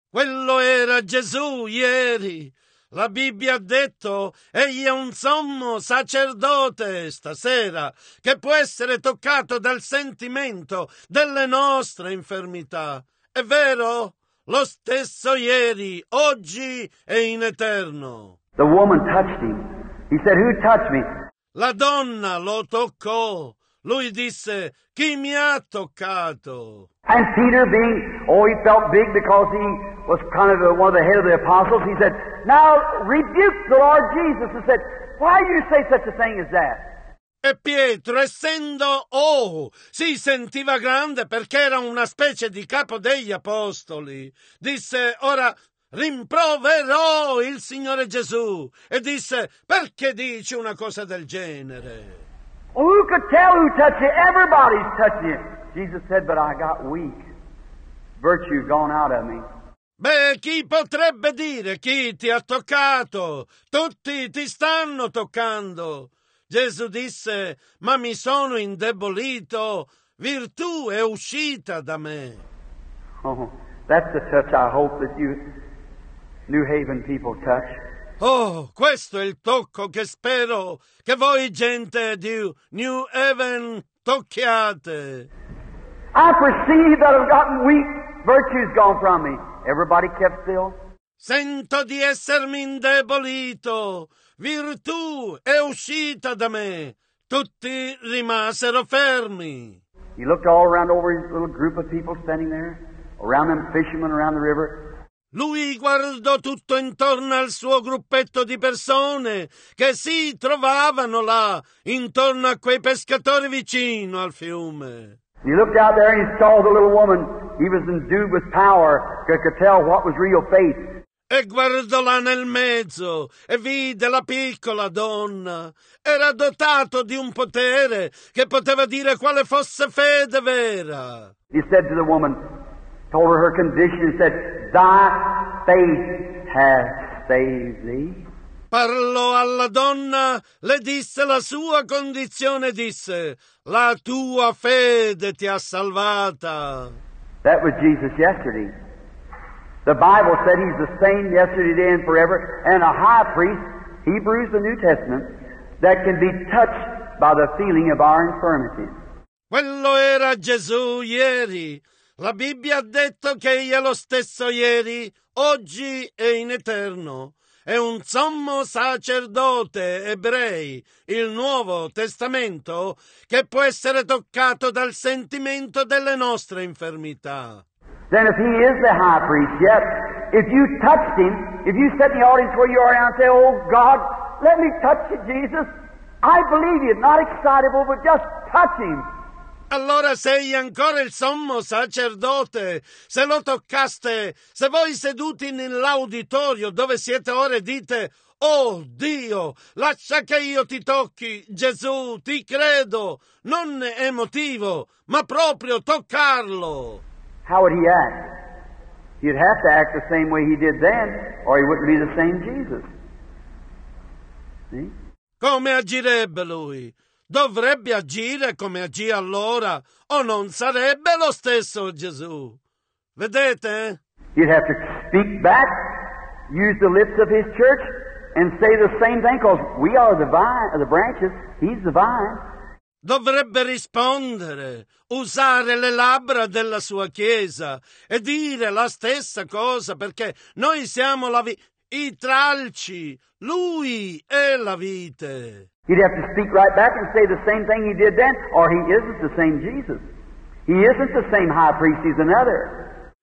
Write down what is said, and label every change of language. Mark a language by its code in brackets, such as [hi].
[it] Quello era Gesù ieri. La Bibbia ha detto, egli è un sommo sacerdote stasera, che può essere toccato dal sentimento delle nostre infermità. È vero? Lo stesso ieri, oggi e in eterno. [en] The woman touched him. He said, "Who touched me?" [it] La donna lo toccò. Lui disse, "Chi mi ha toccato?" [en] And Peter being, oh, he felt big because he was kind of one of the head of the apostles. He said, "Now rebuke the Lord Jesus," and said, "Why do you say such a thing as that?" [it] E Pietro, essendo, oh, si sentiva grande perché era una specie di capo degli apostoli, disse, "Ora rimproverò il Signore Gesù," e disse, "Perché dici una cosa del genere?" [en] Well, who could tell who touched you? Everybody's touching you. Jesus said, "But I got weak. Virtue gone out of me." [it] Beh, chi potrebbe dire chi ti ha toccato? Tutti ti stanno toccando. Gesù disse, "Ma mi sono indebolito. Virtù è uscita da me." [en] Oh, that's the touch I hope that you New Haven people touch. [it] Oh, questo è il tocco che spero che voi gente di New Haven tocchiate. [en] I perceive that I've gotten weak. Virtue's gone from me. Everybody kept still. [it] Sento di essermi indebolito. Virtù è uscita da me. Tutti rimasero fermi. [en] He looked all around over his little group of people standing there, around them fishermen around the river. [it] Lui guardò tutto intorno al suo gruppetto di persone che si trovavano là, intorno a quei pescatori vicino al fiume. [en] He looked out there and he saw the little woman. He was endued with power, could tell what was real faith. [it] E guardò là nel mezzo e vide la piccola donna. Era dotato di un potere che poteva dire quale fosse fede vera. [en] He said to the woman, told her condition, and said, "Thy faith has saved thee." [it] Parlò alla donna, le disse la sua condizione, disse, "La tua fede ti ha salvata." [en] That was Jesus yesterday. The Bible said he's the same yesterday, today, and forever, and a high priest, Hebrews, the New Testament, that can be touched by the feeling of our infirmities. [it] Quello era Gesù ieri. La Bibbia ha detto che egli è lo stesso ieri, oggi e in eterno. È un sommo sacerdote ebrei, il Nuovo Testamento, che può essere toccato dal sentimento delle nostre infermità. [en] Then if he is the high priest, yet, if you touched him, if you set the audience where you are and say, "Oh God, let me touch you, Jesus. I believe you, not excitable, but just touch him." [it] Allora sei ancora il sommo sacerdote, se lo toccaste, se voi seduti nell'auditorio dove siete ora dite, "Oh Dio, lascia che io ti tocchi, Gesù, ti credo," non emotivo, ma proprio toccarlo. [en] How would he act? He'd have to act the same way he did then, or he wouldn't be the same Jesus. See? [it] Come agirebbe lui? Dovrebbe agire come agì allora, o non sarebbe lo stesso Gesù. Vedete? [en] You'd have to speak back, use the lips of his church, and say the same thing, because we are the vine, the branches, he's the vine. [it] Dovrebbe rispondere, usare le labbra della sua chiesa, e dire la stessa cosa, perché noi siamo la i tralci, lui è la vite. [en] He'd have to speak right back and say the same thing he did then, or he isn't the same Jesus. He isn't the same high priest, he's another.